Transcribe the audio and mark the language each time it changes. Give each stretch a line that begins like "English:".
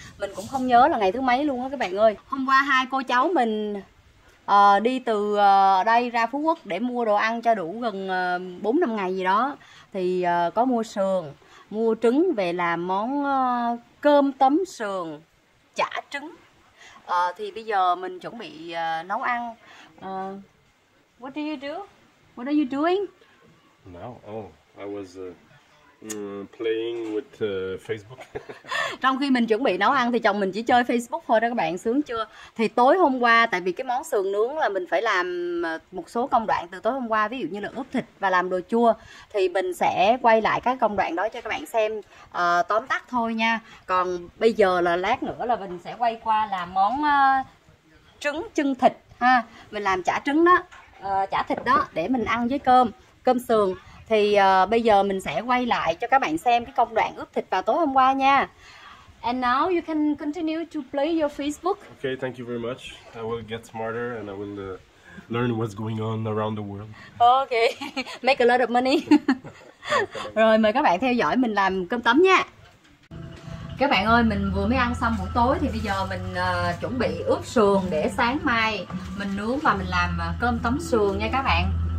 Vietnamese: Mình cũng không nhớ là ngày thứ mấy luôn á các bạn ơi. Hôm qua hai cô cháu mình đi từ đây ra Phú Quốc để mua đồ ăn cho đủ gần 4-5 ngày gì đó. Thì có mua sườn, mua trứng về làm món cơm tấm sườn, chả trứng. Thì bây giờ mình chuẩn bị nấu ăn.
English: What are you doing? Now, I was playing with Facebook.
Vietnamese: Trong khi mình chuẩn bị nấu ăn thì chồng mình chỉ chơi Facebook thôi đó các bạn, sướng chưa? Thì tối hôm qua, tại vì cái món sườn nướng là mình phải làm một số công đoạn từ tối hôm qua, ví dụ như là ướp thịt và làm đồ chua, thì mình sẽ quay lại các công đoạn đó cho các bạn xem tóm tắt thôi nha. Còn bây giờ là lát nữa là mình sẽ quay qua làm món trứng chưng thịt ha, mình làm chả trứng đó. Chả thịt đó để mình ăn với cơm sườn. Thì bây giờ mình sẽ quay lại cho các bạn xem cái công đoạn ướp thịt vào tối hôm qua nha.
English: And now you can continue to play your Facebook. Okay, thank you very much. I will get smarter and I will learn what's going on around the world. Ok, make a lot of money.
Vietnamese: Rồi mời các bạn theo dõi mình làm cơm tấm nha. Các bạn ơi, mình vừa mới ăn xong buổi tối thì bây giờ mình chuẩn bị ướp sườn để sáng mai mình nướng và mình làm cơm tấm sườn nha các bạn.